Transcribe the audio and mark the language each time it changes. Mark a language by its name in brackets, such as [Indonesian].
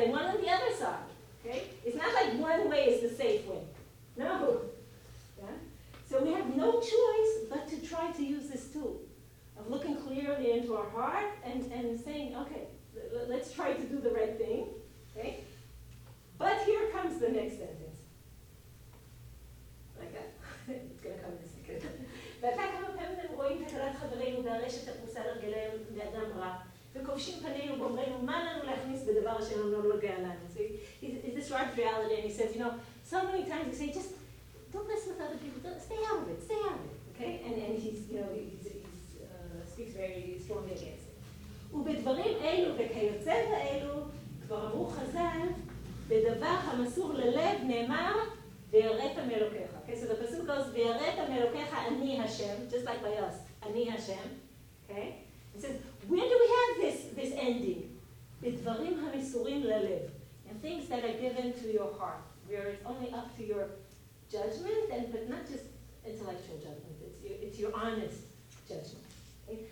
[English] and one on the other side. Okay, it's not like one way is the safe way. No. Yeah. So we have no choice but to try to use this tool of looking clearly into our heart and saying, okay, let's try to do the right thing. Okay. But here comes the next sentence. Like that. It's gonna come. [Hebrew] ואתה כמה פעמים אתם רואים תקלת חברינו והרשת הפרוסה לרגליהם לאדם רע וכובשים פנינו ואומרינו מה לנו להכניס בדבר השם לא נוגע לנו. [English] See, is this right reality? And he says, you know, so many times you say, just don't mess with other people, stay out of it, okay? And he's, you know, he speaks very strongly against it. [Hebrew] ובדברים אלו וכיוצא באלו כבר אמרו חז"ל בדבר המסור ללב נאמר ויראת מאלוקיך. [English] Okay, so the pasuk goes, [Hebrew] ויראת מאלוקיך אני השם, [English] just like by us, אני השם. Okay? It says, where do we have this ending? [Hebrew] בדברים המסורים ללב. [English] And things that are given to your heart, where it's only up to your judgment, but not just intellectual judgment, it's your honest judgment. Okay?